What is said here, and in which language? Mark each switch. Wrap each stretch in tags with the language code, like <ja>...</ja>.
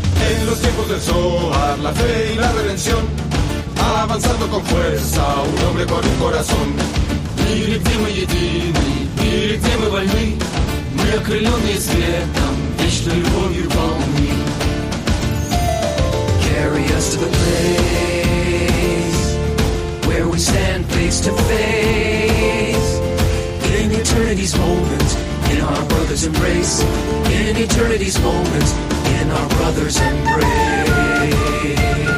<es>En los tiempos del Zohar, la fe y la redención, avanzando con fuerza, un hombre con un corazón.</es> <ru>Неделимы едины, где мы больны, мы окрылённые светом, вечной любовью полны.</ru> <en>Carry us to the place where we stand face to face, in eternity's moment, in our brother's embrace. In eternity's moment, in our brother's embrace.</en>